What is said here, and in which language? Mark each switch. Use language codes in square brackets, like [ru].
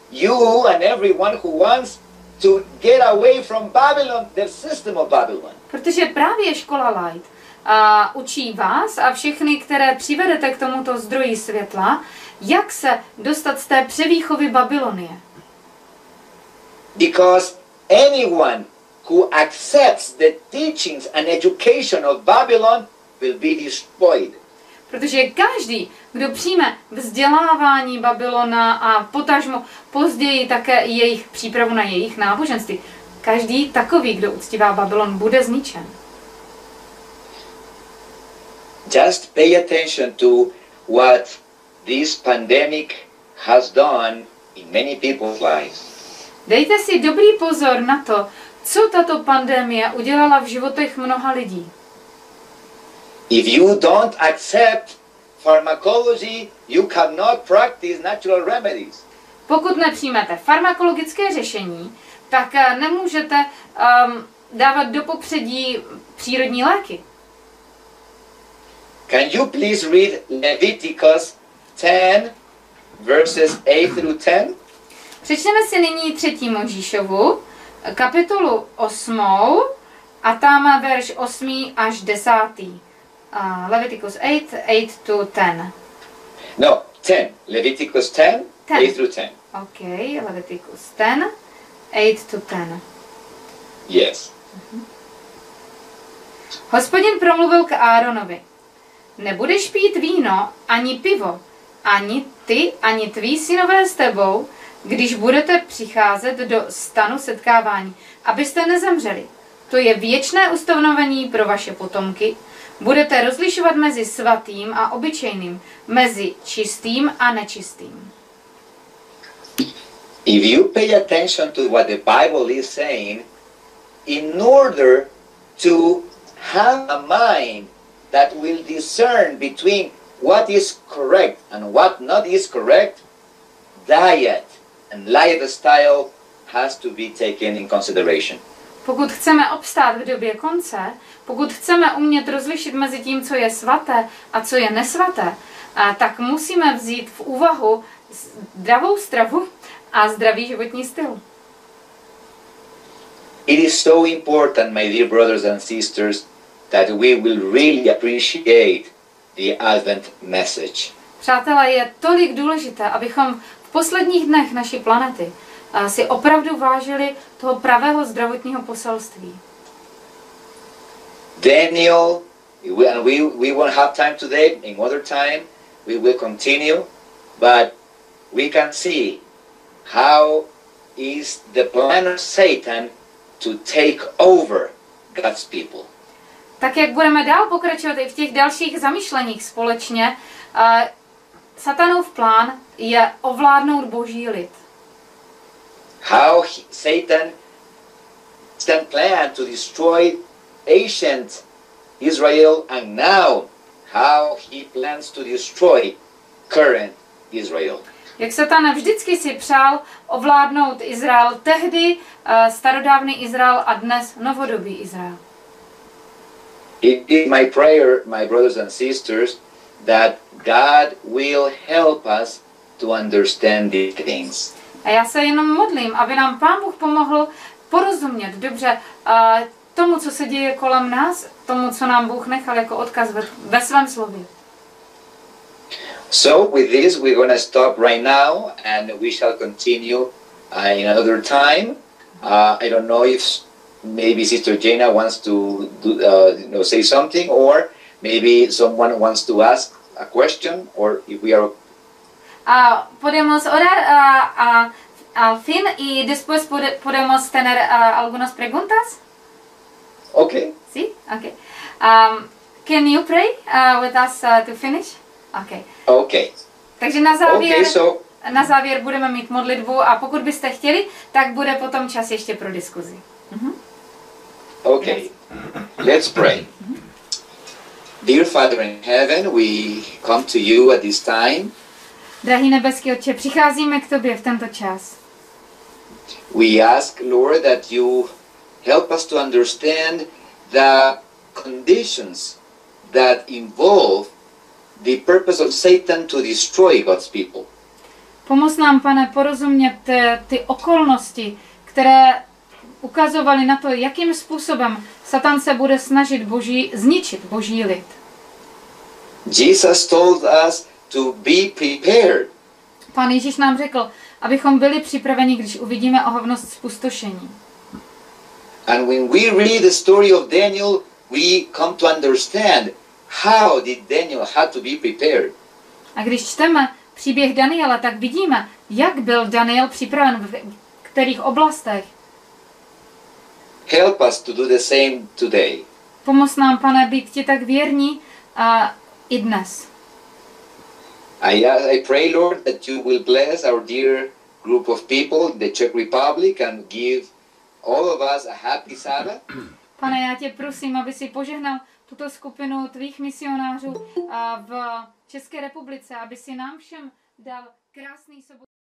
[en] you and everyone who wants to get away from Babylon, the system of Babylon. [cs] Protože právě škola Light učí vás a všechny, které přivedete k tomuto zdroji světla, jak se dostat z té převýchovy Babylonie. [en] Because anyone who accepts the teachings and education of Babylon will be destroyed. [cs] Protože každý, kdo přijme vzdělávání Babylona a potažmo později také jejich přípravu na jejich náboženství, každý takový, kdo uctívá Babylon, bude zničen. [en] Just pay attention to what this pandemic has done in many people's lives. [cs] Dejte si dobrý pozor na to, co tato pandemie udělala v životech mnoha lidí. [en] If you don't accept pharmacology, you cannot practice natural remedies. [cs] Pokud nepřijmete farmakologické řešení, tak nemůžete dávat do popředí přírodní léky. [en] Can you please read Leviticus 10 verses 8 through 10? [cs] Přečteme si nyní 3. Mojžíšovu, kapitolu 8 a tam verš 8 až 10. [en] Leviticus 8:8-10. No, 10. Leviticus 10, 10. 8 through 10. OK, Leviticus 10, 8 to 10. Yes. [cs] Hospodin promluvil k Aaronovi. Nebudeš pít víno ani pivo, ani ty, ani tví synové s tebou, když budete přicházet do stanu setkávání, abyste nezemřeli. To je věčné ustanovení pro vaše potomky. Budete rozlišovat mezi svatým a obyčejným, mezi čistým a nečistým. [en] If you pay attention to what the Bible is saying, in order to have a mind that will discern between what is correct and what not is correct, diet and lifestyle has to be taken in consideration. [cs] Pokud chceme obstát v době konce, pokud chceme umět rozlišit mezi tím, co je svaté a co je nesvaté, tak musíme vzít v úvahu zdravou stravu a zdravý životní styl. [en] It is so important, my dear brothers and sisters, that we will really appreciate the Advent message. [cs] Přátelé, je tolik důležité, abychom v posledních dnech naší planety si opravdu vážili toho pravého zdravotního poselství. [en] Daniel, we won't have time today, in other time we will continue, but we can see how is the plan of Satan to take over God's people. [cs] Tak jak budeme dál pokračovat i v těch dalších zamýšleních společně, Satanův plán je ovládnout Boží lid. [en] How Satan planned to destroy ancient Israel and now how he plans to destroy current Israel. [cs] Jak Satan vždycky si přál ovládnout Izrael tehdy, starodávný Izrael a dnes novodobý Izrael. [en] It is my prayer, my brothers and sisters, that God will help us to understand these things. [cs] A já se jenom modlím, aby nám Pán Bůh pomohl porozumět dobře tomu, co se děje kolem nás, tomu, co nám Bůh nechal jako odkaz ve svém slově. [en] So with this we're going to stop right now and we shall continue in another time. I don't know if maybe Sister Jana wants to do, say something, or maybe someone wants to ask a question, or if we are. [es] Podemos orar al fin y después podemos tener algunas preguntas? [en] Okay. [es] Sí? Okay. [en] Can you pray with us to finish? Okay. Okay. [cs] Takže na závěr, okay, so... na závěr budeme mít modlitbu a pokud byste chtěli, tak bude potom čas ještě pro diskuzi. [en] Mm-hmm. Okay. Yes. Let's pray. Mm-hmm. Dear Father in Heaven, we come to you at this time. [cs] Drahý nebeský Otče, přicházíme k tobě v tento čas. [en] We ask, Lord, that you help us to understand the conditions that involve the purpose of Satan to destroy God's people. [cs] Pomoz nám, Pane, porozumět ty okolnosti, které ukazovaly na to, jakým způsobem Satan se bude snažit zničit Boží lid. [en] Jesus told us to be prepared. [cs] Pán Ježíš nám řekl, abychom byli připraveni, když uvidíme ohavnost zpustošení. [en] And when we read the story of Daniel, we come to understand how did Daniel had to be prepared. [cs] A když čteme příběh Daniela, tak vidíme, jak byl Daniel připraven v kterých oblastech. [en] Help us to do the same today. [cs] Pomoz nám, Pane, být ti tak věrní a i dnes. [en] I pray, Lord, that you will bless our dear group of people in the Czech Republic and give all of us a happy Sabbath. [cs] Pane, já tě prosím, aby si požehnal tuto skupinu tvých misionářů v České republice, aby si nám všem dal krásný sobotu.